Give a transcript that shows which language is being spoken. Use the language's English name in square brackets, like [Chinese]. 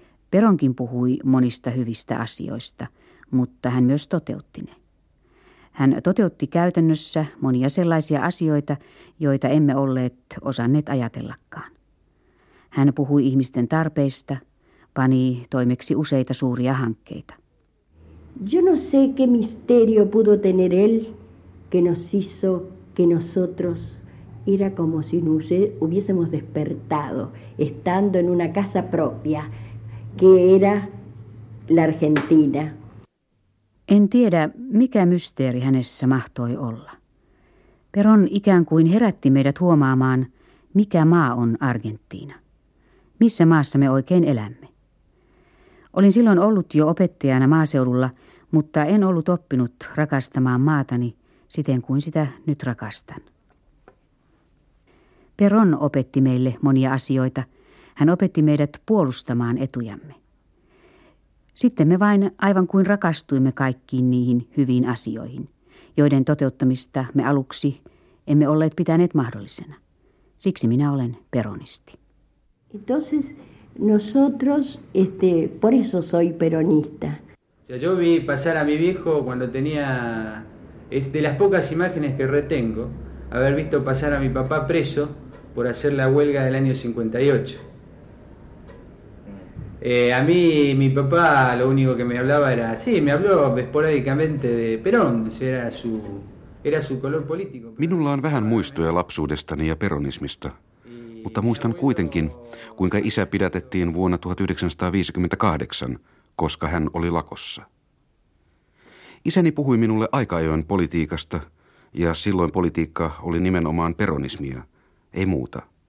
[Finnish] Peronkin puhui monista hyvistä asioista, mutta hän myös toteutti ne. Hän toteutti käytännössä monia sellaisia asioita, joita emme olleet osanneet ajatellakaan. Hän puhui ihmisten tarpeista, pani toimeksi useita suuria hankkeita. [Spanish] Yo no sé qué misterio pudo tener él que nos hizo que nosotros era como si nos hubiésemos despertado estando en una casa propia que era la Argentina. [Finnish] En tiedä, mikä mysteeri hänessä mahtoi olla. Perón ikään kuin herätti meidät huomaamaan, mikä maa on Argentiina. Missä maassa me oikein elämme. Olin silloin ollut jo opettajana maaseudulla, mutta en ollut oppinut rakastamaan maatani siten kuin sitä nyt rakastan. Peron opetti meille monia asioita. Hän opetti meidät puolustamaan etujamme. Sitten me vain aivan kuin rakastuimme kaikkiin niihin hyviin asioihin, joiden toteuttamista me aluksi emme olleet pitäneet mahdollisena. Siksi minä olen peronisti. [Spanish] Entonces nosotros, por eso soy peronista. Ya yo vi pasar a mi viejo cuando tenía, es de las pocas imágenes que retengo, haber visto pasar a mi papá preso por hacer la huelga del año 58. A mí, mi papá, lo único que me hablaba era, sí, me habló esporádicamente de Perón, era su color político. [Finnish] Minulla on vähän muistoja lapsuudestani ja peronismista, mutta muistan kuitenkin, kuinka isä pidätettiin vuonna 1958, koska hän oli lakossa. Isäni puhui minulle aika ajoin politiikasta, ja silloin politiikka oli nimenomaan peronismia, ei muuta.